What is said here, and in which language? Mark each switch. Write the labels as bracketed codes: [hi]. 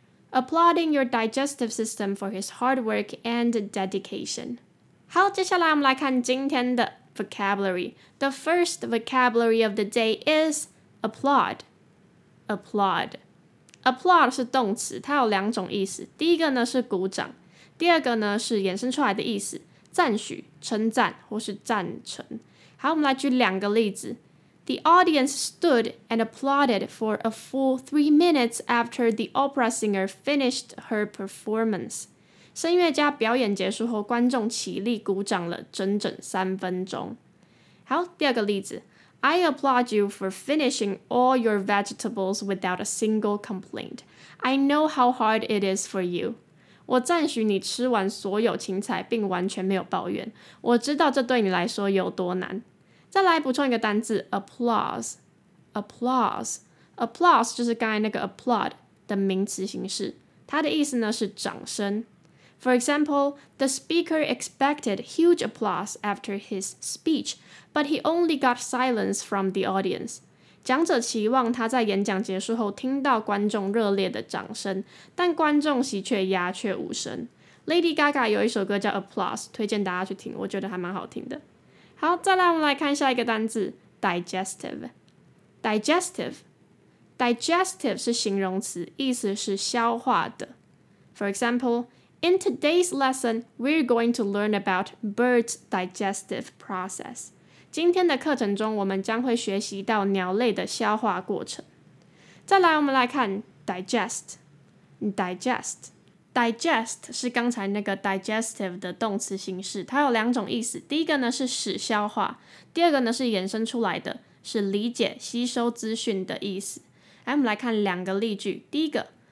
[en] Applauding your digestive system for his hard work and dedication. [zh] 好，接下来我们来看今天的 vocabulary. [en] The first vocabulary of the day is applaud. [zh] Applaud 是动词，它有两种意思。第一个呢是鼓掌，第二个呢是衍生出来的意思，赞许、称赞或是赞成。好，我们来举两个例子。 [en] The audience stood and applauded for a full 3 minutes after the opera singer finished her performance. [zh] 声乐家表演结束后，观众起立鼓掌了整整三分钟。好，第二个例子。 [en] I applaud you for finishing all your vegetables without a single complaint. I know how hard it is for you. [zh] 我赞许你吃完所有青菜并完全没有抱怨，我知道这对你来说有多难。再来补充一个单字 applause 就是刚才那个 applaud 的名词形式，它的意思呢是掌声。 [en] For example, the speaker expected huge applause after his speech, but he only got silence from the audience. [zh] 讲者期望他在演讲结束后听到观众热烈的掌声，但观众席却鸦雀无声。 Lady Gaga 有一首歌叫 Applause， 推荐大家去听，我觉得还蛮好听的。好，再来我们来看下一个单字 Digestive 是形容词，意思是消化的。 [en] For example, in today's lesson, we're going to learn about birds' digestive process. [zh] 今天的课程中我们将会学习到鸟类的消化过程。再来我们来看 digest 是刚才那个 digestive 的动词形式，它有两种意思，第一个呢是使消化，第二个呢是衍生出来的，是理解吸收资讯的意思。来我们来看两个例句。第一个，